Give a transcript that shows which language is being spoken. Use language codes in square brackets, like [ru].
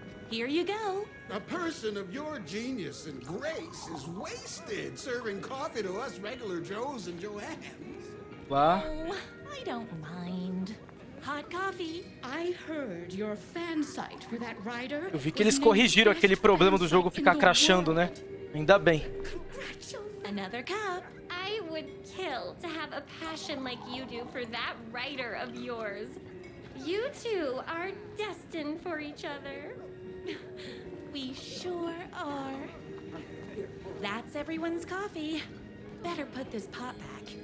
[en] Here you go. A person of your genius and grace is wasted serving coffee to us regular Joes and Joannes. What? Oh, I don't mind. Hot coffee. I heard your fan site for that writer. [pt] Eu vi que eles corrigiram aquele problema do jogo ficar crashando, né? Ainda bem. [en] Another cup. I would kill to have a passion like you do for that writer of yours. You two are destined for each other. We sure are. That's everyone's coffee. Better put this pot back.